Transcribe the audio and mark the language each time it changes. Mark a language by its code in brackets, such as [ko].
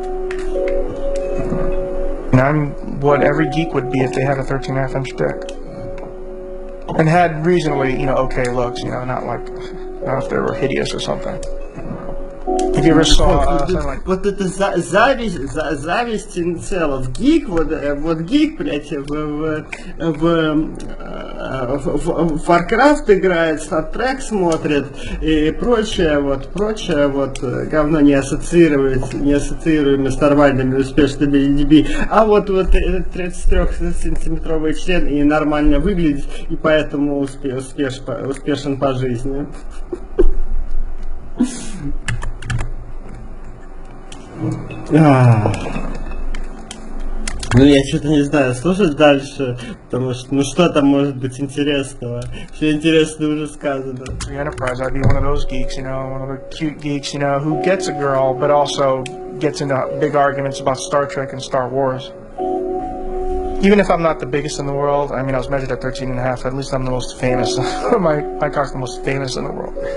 [en] And I'm what every geek would be if they had a 13.5 inch dick. And had reasonably, you know, okay looks, you know, not like, not if they were hideous or something. If you ever saw [ru] вот это зависть инцелов. Гик, вот гик, блядь, в Warcraft играет, Star Trek смотрит и прочее, говно не ассоциируемое с нормальными успешными людьми. А вот 33-сантиметровый член и нормально выглядит, и поэтому успешен по жизни. Ну я что-то не знаю, слушать дальше, потому что, ну что там может быть интересного? Все интересное уже сказано. [en] The Enterprise, I'd be one of those geeks, you know, one of the cute geeks, you know, who gets a girl, but also gets into big arguments about Star Trek and Star Wars. Even if I'm not the biggest in the world, I mean, I was measured at 13 and a half, at least I'm the most famous. my cock's the most famous in the world.